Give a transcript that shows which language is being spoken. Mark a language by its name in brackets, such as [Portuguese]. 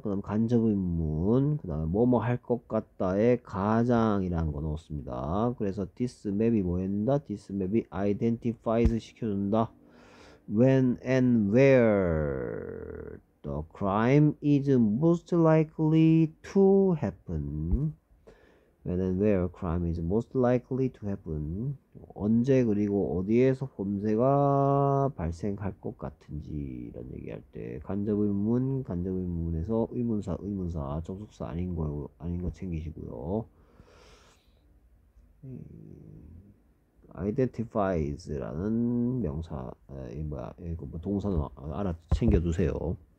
[Korean] 그 다음 간접 입문 그 다음에 뭐뭐 할것 같다의 가장이라는 거 넣었습니다. 그래서 this map이 뭐 해준다? this map이 identifies 시켜준다. [English] When and where the crime is most likely to happen. When and where crime is most likely to happen. [Korean] 언제 그리고 어디에서 범죄가 발생할 것 같은지 이런 얘기할 때 간접 의문에서 의문사, 의문사 접속사 아닌 거 챙기시고요. identifies라는 명사, 뭐야, 이거 뭐 동사는 알아 챙겨두세요.